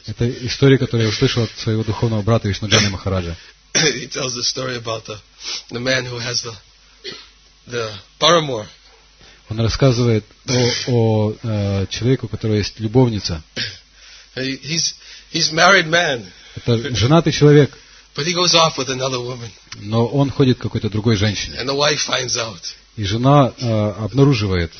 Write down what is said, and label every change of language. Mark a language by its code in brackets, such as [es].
[ru] Это история, которую я услышал от своего духовного брата Вишну Джана Махараджа. [en] He tells the story about the man who has the paramour. [ru] Он рассказывает о человеке, у которого есть любовница. [en] He's married man. [ru] Это женатый человек. [en] But he goes off with another woman. [ru] Но он ходит к какой-то другой женщине. [en] And the wife finds out. [ru] И жена обнаруживает.